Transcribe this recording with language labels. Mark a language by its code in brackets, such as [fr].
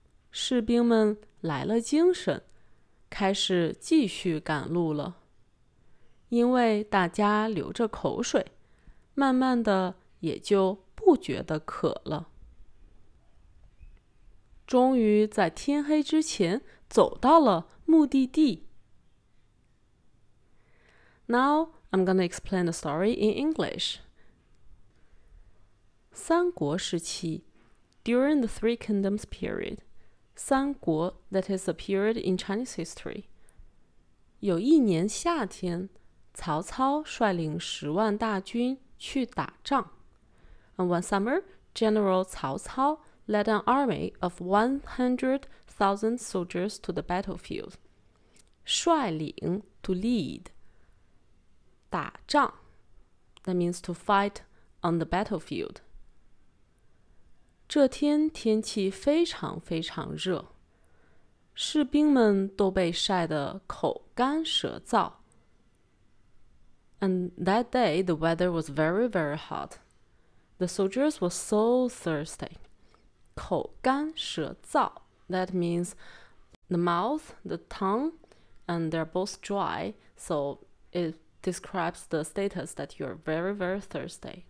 [zh] 士兵们来了精神，开始继续赶路了。因为大家流着口水，慢慢的也就不觉得渴了。终于在天黑之前走到了目的地。 [en] Now, I'm going to explain the story in English. [zh] 三国时期 [en] During the Three Kingdoms period, [zh] 三国 [en] that is a period in Chinese history, [zh] 有一年夏天，曹操率领十万大军去打仗。 [en] And one summer, General 曹操led an army of 100,000 soldiers to the battlefield. 率领 to lead. [zh] 打仗 [en] That means to fight on the battlefield. [zh] 这天天气非常非常热，士兵们都被晒得口干舌燥。 [en] And that day the weather was very, very hot. The soldiers were so thirsty. 口干舌燥 That means the mouth, the tongue, and they're both dry. So it describes the status that you're very, very thirsty.